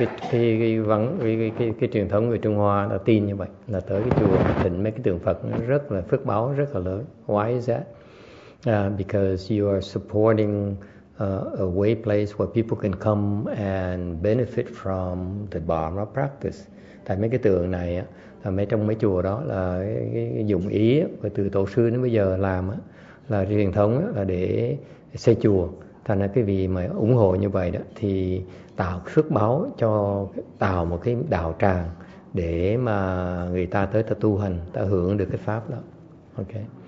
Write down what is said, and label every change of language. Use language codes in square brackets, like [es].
[vi] Cái truyền thống người Trung Hoa là tin như vậy, là tới cái chùa thỉnh mấy cái tượng Phật rất là phước báo, rất là lớn. [en] Why is that? Because you are supporting a way place where people can come and benefit from the Dharma practice. [vi] Tại mấy cái tượng này á, mấy trong mấy chùa đó là cái dụng ý và từ tổ sư đến bây giờ làm là truyền thống là để xây chùa. Thành ra cái vị mà ủng hộ như vậy đó thì tạo phước báo cho tạo một cái đạo tràng để mà người ta tới ta tu hành, ta hưởng được cái pháp đó. Okay.